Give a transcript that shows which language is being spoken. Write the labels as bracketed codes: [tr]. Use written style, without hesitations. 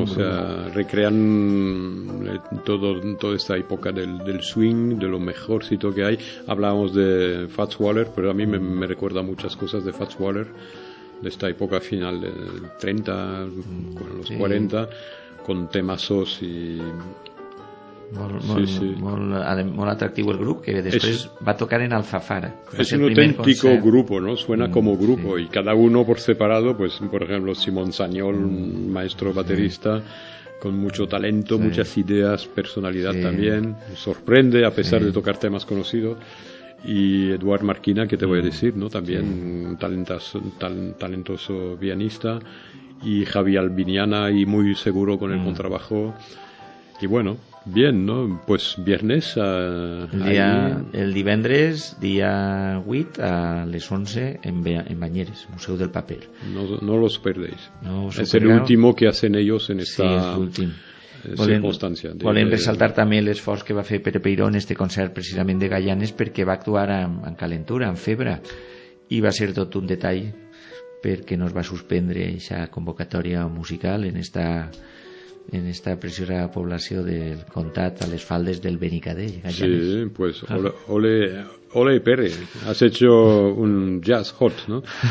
[es] O sea, recrean toda esta época del swing, de lo mejorcito que hay. Hablábamos de Fats Waller, pero a mí me recuerda muchas cosas de Fats Waller, de esta época final de 30, con los 40, con temazos y... [ca] Molt atractiu el grup, que després va tocar en Alfafara. És un autèntic grup, no? [es] Suena [ca] com a grup, i [es] cada uno por separado, pues, por ejemplo, Simón Sañol, maestro baterista, con mucho talento, muchas ideas, personalidad también, sorprende a pesar de tocar temas conocidos, y Eduard Marquina, que te voy a decir, ¿no? También talentoso pianista, y Javi Albiñana, y muy seguro con el contrabajo, y bueno... Bien, ¿no? Pues viernes a... [ca] El divendres, dia 8, a les 11, en Banyeres, Museu del Paper. [es] No los perdéis. No os es superado. El último que hacen ellos en esta circunstancia. [ca] Volen resaltar també l'esforç que va fer Pere Peiró en este concert precisament de Gaianes, perquè va actuar amb calentura, amb febre, i va ser tot un detall perquè no es va suspendre aquesta convocatòria musical en esta preciosa població del comtat a les faldes del Benicadell. [es] Sí, pues ole Pere, has hecho un jazz hot, ¿no?